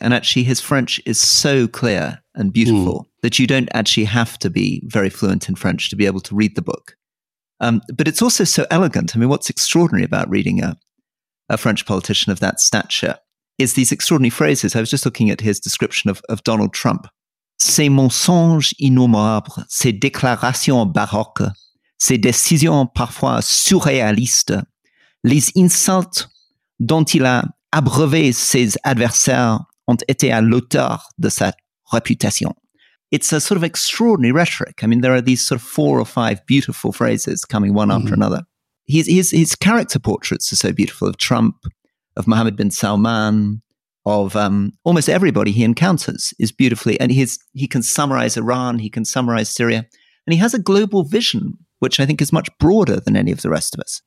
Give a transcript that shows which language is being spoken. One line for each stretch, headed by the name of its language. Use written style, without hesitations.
English: And actually his French is so clear and beautiful that you don't actually have to be very fluent in French to be able to read the book. But it's also so elegant. I mean, what's extraordinary about reading a French politician of that stature is these extraordinary phrases. I was just looking at his description of Donald Trump.
French: Ces mensonges innombrables, ces déclarations baroques, ces décisions parfois surréalistes, les insultes dont il a abreuvé ses adversaires ont été à l'auteur de sa réputation.
English: It's a sort of extraordinary rhetoric. I mean, there are these sort of four or five beautiful phrases coming one after another. His character portraits are so beautiful of Trump, of Mohammed bin Salman, of almost everybody he encounters is beautifully. And he can summarize Iran, he can summarize Syria. And he has a global vision, which I think is much broader than any of the rest of us.